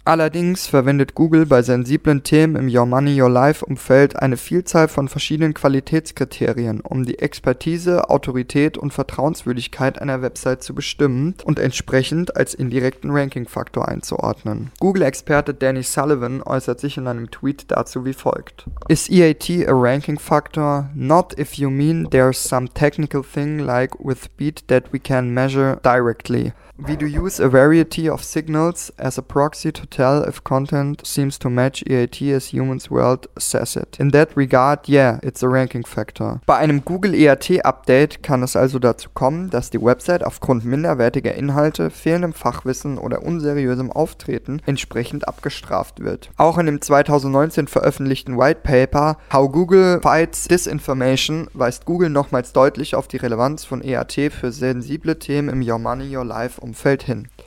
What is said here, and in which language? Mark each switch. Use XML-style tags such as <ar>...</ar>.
<de>Allerdings verwendet Google bei sensiblen Themen im Your Money, Your Life-Umfeld eine Vielzahl von verschiedenen Qualitätskriterien, um die Expertise, Autorität und Vertrauenswürdigkeit einer Website zu bestimmen und entsprechend als indirekten Ranking-Faktor einzuordnen. Google-Experte Danny Sullivan äußert sich in einem Tweet dazu wie folgt.</de> <en>Is EAT a ranking factor? Not if you mean there's some technical thing like with BEAT that we can measure directly. We do use a variety of signals as a proxy to tell if content seems to match EAT as humans world says it. In that regard, yeah, it's a ranking factor.</en> <de>Bei einem Google EAT-Update kann es also dazu kommen, dass die Website aufgrund minderwertiger Inhalte, fehlendem Fachwissen oder unseriösem Auftreten entsprechend abgestraft wird. Auch in dem 2019 veröffentlichten White Paper How Google Fights Disinformation weist Google nochmals deutlich auf die Relevanz von EAT für sensible Themen im Your Money, Your Life Umfeld hin.</de>